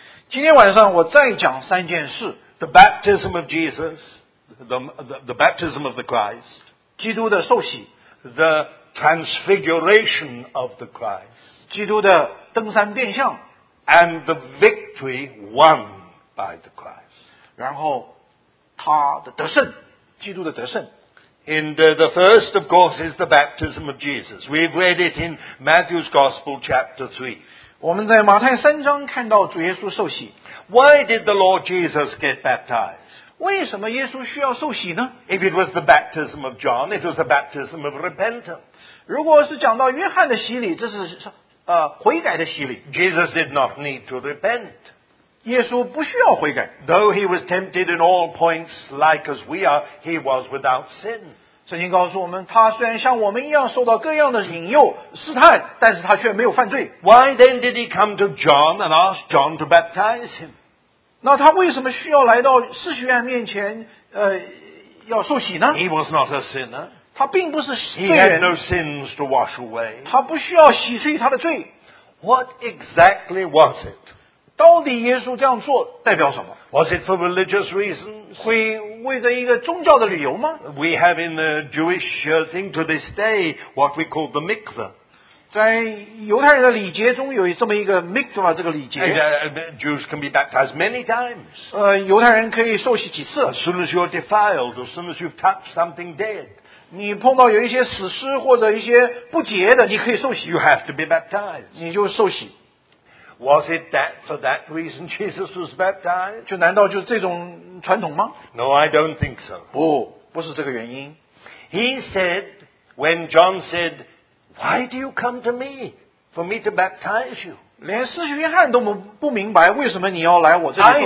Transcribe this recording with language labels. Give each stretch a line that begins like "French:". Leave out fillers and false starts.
Chinese: 今天晚上我再讲三件事。
English: The baptism of Jesus, the baptism of the Christ.
Chinese: 基督的受洗。
English: The transfiguration of the Christ.
Chinese: 基督的登山变相。
English: And the victory won by the Christ.
Chinese: 然后他的得胜，基督的得胜。
English: And the first, of course, is the baptism of Jesus. We've read it in Matthew's Gospel, chapter 3.
Chinese: 我们在马太三章看到主耶稣受洗。
English: Why did the Lord Jesus get baptized?
Chinese: 为什么耶稣需要受洗呢？
English: If it was the baptism of John, it was a baptism of repentance.
Chinese: 如果是讲到约翰的洗礼，这是悔改的洗礼。
English: Jesus did not need to repent.
Chinese: 耶稣不需要悔改。
English: Though he was tempted in all points like as we are, he was without sin.
Chinese: 圣经告诉我们，他虽然像我们一样受到各样的引诱、试探，但是他却没有犯罪。
English: Why then did he come to John and ask John to baptize him?
Chinese: 那他为什么需要来到施洗约翰面前要受洗呢？
English: He was not a sinner.
Chinese: 他并不是罪人。
English: He had no sins to wash away.
Chinese: 他不需要洗去他的罪。
English: What exactly was it?
Chinese: 到底耶稣这样做代表什么？
English: Was it for religious reasons?
Chinese: 会为着一个宗教的理由吗？
English: We have in the Jewish thing to this day what we call the mikveh.
Chinese: 在犹太人的礼节中有这么一个 mikveh 这个礼节。
English: Jews can be baptized many times.
Chinese: 犹太人可以受洗几次。
English: As soon as you're defiled, as soon as you've touched something dead.
Chinese: 你碰到有一些死尸或者一些不洁的，你可以受洗。
English: You have to be baptized.
Chinese: 你就受洗。
English: Was it that for that reason Jesus was baptized?
Chinese: 就难道就是这种传统吗？
English: No, I don't think so.
Chinese: 不，不是这个原因。
English: He said, when John said, "Why do you come to me for me to baptize you?"
Chinese: 连施洗约翰都不明白为什么你要来我这里受洗。